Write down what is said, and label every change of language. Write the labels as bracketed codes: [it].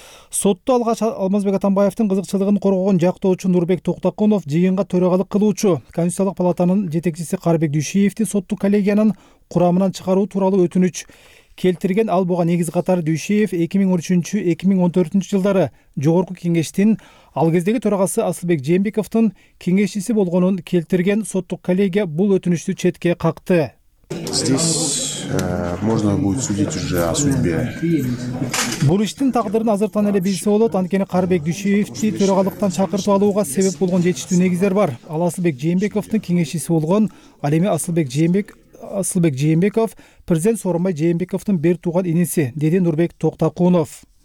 [ky] Сотто алгач Алмазбек Атамбаевдин кызыкчылыгын коргогон жактоочу Нурбек Токтокунов жыйынга төрагалык кылуучу Конституциялык палатанын жетекчиси Карбек Дүйшиевди соттук коллегиянын курамынан чыгаруу тууралуу өтүнүч келтирген. Ал буга негиз катары Дүйшиев 2013-2014 жылдары Жогорку кеңештин ал кездеги төрагасы Асылбек Жээнбековдун кеңешчиси болгонун келтирген. Соттук коллегия бул өтүнүчтү четке какты. [ru] Можно будет судить уже о судьбе. [ky] Бул иштин тагдырын азыртан эле билсе болот, анткени Карбек Дүйшиевди төрагалыктан чакыртып алууга себеп болгон жетиштүү негиздер бар. Ал Асылбек Жээнбековдун кеңешчиси болгон, ал эми Асылбек Жээнбеков, президент Сооронбай Жээнбековдун бир тууган иниси, деди Нурбек Токтокунов.